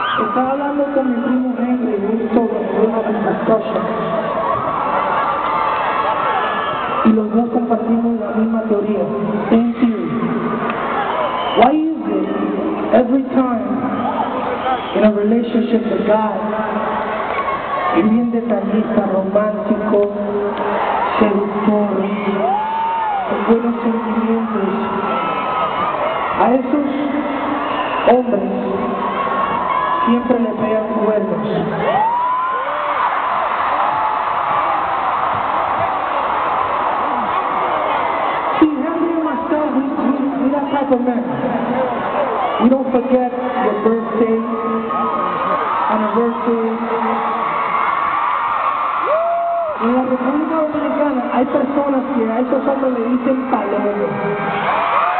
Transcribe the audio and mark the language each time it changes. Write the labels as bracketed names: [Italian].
[Spanish] Estaba hablando con mi primo Henry justo sobre una de las cosas. Y los dos compartimos la misma teoría. [English] Thank you. Why is it every time in a relationship with God, [Spanish] y bien detallista, romántico, seductor, con buenos sentimientos, a esos hombres siempre les pegan cuernos? Sí, [English] Henry Mastel, we're that type of man. We don't forget your birthday, anniversary. [Spanish] En la República Dominicana hay personas que a estos hombres le dicen palomo.